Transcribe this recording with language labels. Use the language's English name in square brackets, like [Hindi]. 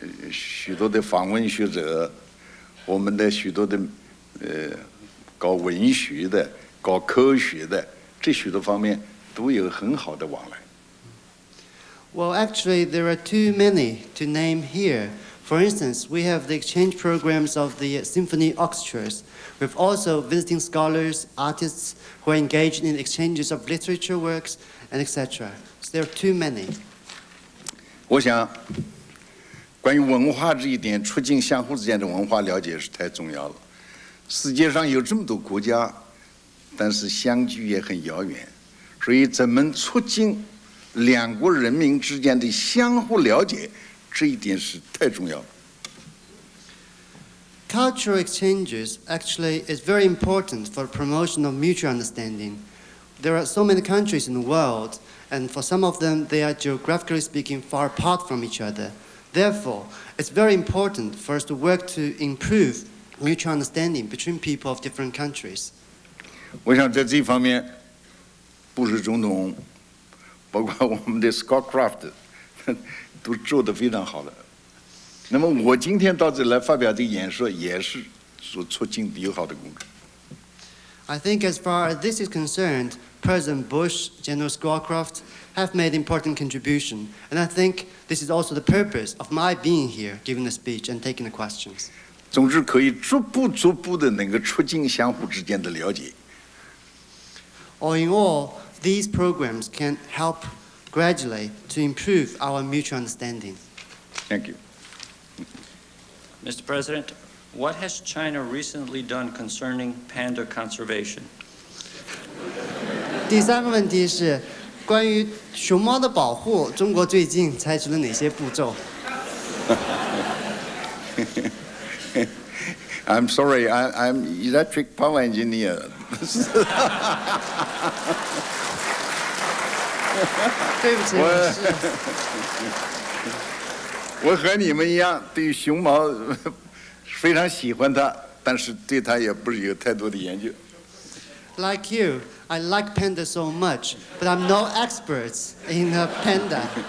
[Chinese] 许多的访问学者，我们的许多的搞文学的、搞科学的，这许多方面都有很好的往来。 [English] Well, actually, there are too many to name here. For instance, we have the exchange programs of the symphony orchestras. We have also visiting scholars, artists who are engaged in exchanges of literature works, and etc. So there are too many. [Chinese] 我想，关于文化这一点，促进相互之间的文化了解是太重要了。世界上有这么多国家，但是相距也很遥远，所以怎么促进两国人民之间的相互了解，这一点是太重要了。 [English] Cultural exchanges actually is very important for the promotion of mutual understanding. There are so many countries in the world, and for some of them, they are geographically speaking far apart from each other. Therefore, it's very important for us to work to improve mutual understanding between people of different countries. [Chinese] 我想在这方面，布什总统，包括我们的 Scottcraft， 都做得非常好了。那么我今天到这来发表的演说也是所促进友好的工作。 [English] I think as far as this is concerned, President Bush, General Scowcroft have made important contribution. And I think this is also the purpose of my being here, giving the speech and taking the questions. [Chinese] 总之可以逐步逐步的能够促进相互之间的了解。 [English] All in all, these programs can help gradually to improve our mutual understanding. Thank you. Mr. President, what has China recently done concerning panda conservation? [Chinese] 第三个问题是关于熊猫的保护，中国最近采取了哪些步骤？ [English] I'm sorry, I'm electric power engineer. Well, [Chinese] 我和你们一样，对熊猫非常喜欢它，但是对它也不是有太多的研究。 [English] Like you, I like panda so much, but I'm no expert in a panda.